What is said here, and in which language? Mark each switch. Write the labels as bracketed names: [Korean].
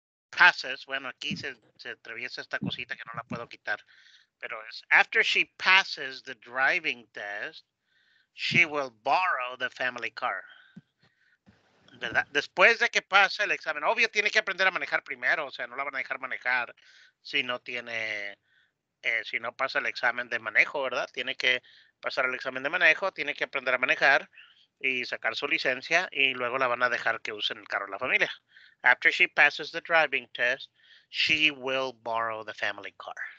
[Spanish] Passes, bueno, aquí se atraviesa esta cosita que no la puedo quitar. Pero es, [English] after she passes the driving test, she will borrow the family car. [Spanish] ¿Verdad? Después de que pase el examen, obvio tiene que aprender a manejar primero, o sea, no la van a dejar manejar si no tiene, si no pasa el examen de manejo, ¿verdad? Tiene que pasar el examen de manejo, tiene que aprender a manejar y sacar su licencia y luego la van a dejar que usen el carro de la familia. [English] After she passes the driving test, she will borrow the family car.